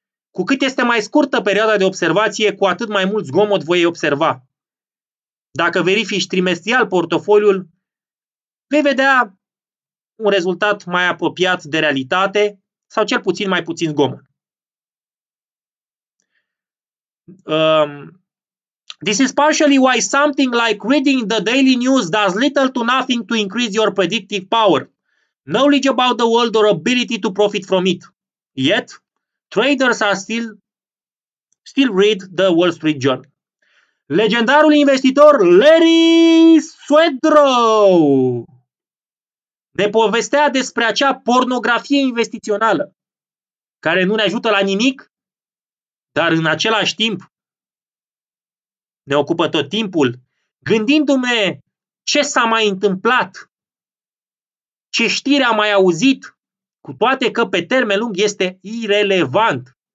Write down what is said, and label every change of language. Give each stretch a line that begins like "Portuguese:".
Romanian: Cu cât este mai scurtă perioada de observație, cu atât mai mult zgomot voi observa. Dacă verifici trimestrial portofoliul, vei vedea un rezultat mai apropiat de realitate sau cel puțin mai puțin zgomot.
English: This is partially why something like reading the daily news does little to nothing to increase your predictive power, knowledge about the world or ability to profit from it. Yet, traders are still read the Wall Street Journal.
Romanian: Legendarul investitor Larry Swedrow ne povestea despre acea pornografie investițională care nu ne ajută la nimic, dar în același timp ne ocupă tot timpul, gândindu-ne ce s-a mai întâmplat, ce știri am mai auzit, cu toate că pe termen lung este irelevant.